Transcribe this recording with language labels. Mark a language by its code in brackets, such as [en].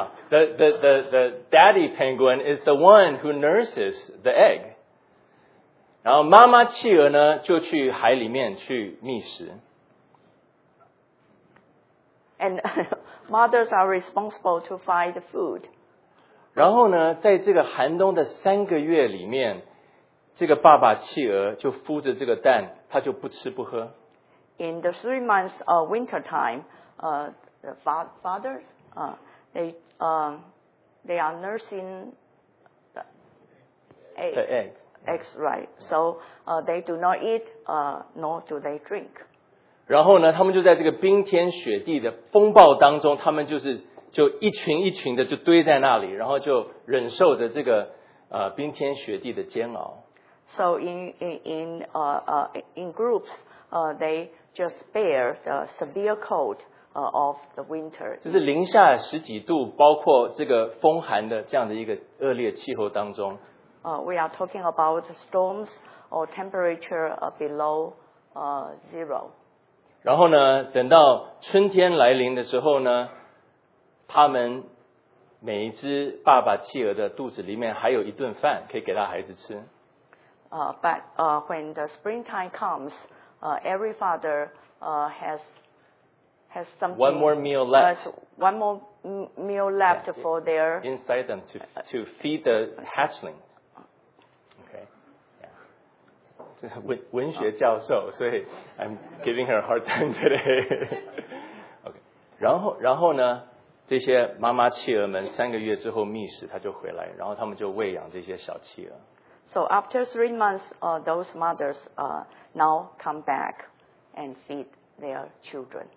[en] The daddy penguin is the one who nurses the egg. [zh] 然后妈妈企鹅呢就去海里面去觅食。 [en] And mothers are responsible to find food. [zh] 然后呢在这个寒冬的三个月里面这个爸爸企鹅就孵着这个蛋，他就不吃不喝。 [en] In the 3 months of winter time, the fathers, they are nursing the eggs. The eggs. Eggs, right? So, they do not eat, nor do they drink. [zh] 然后呢，他们就在这个冰天雪地的风暴当中，他们就是就一群一群的就堆在那里，然后就忍受着这个冰天雪地的煎熬。 [en] So in groups, they just bear the severe cold of the winter. [zh] 就是零下十几度，包括这个风寒的这样的一个恶劣气候当中。 [en] We are talking about storms or temperature below zero. [zh] 然后呢，等到春天来临的时候呢，他们每一只爸爸企鹅的肚子里面还有一顿饭可以给他孩子吃。 [en] But when the springtime comes, every father has something. One more meal left. One more meal left for their inside them to feed the hatchling. Okay. Yeah. [zh] 文学教授，所以 [en] I'm giving her a hard time today. Okay. [zh] 然后呢，这些妈妈企鹅们三个月之后觅食，它就回来，然后他们就喂养这些小企鹅。 [en] So after 3 months, those mothers now come back and feed their children.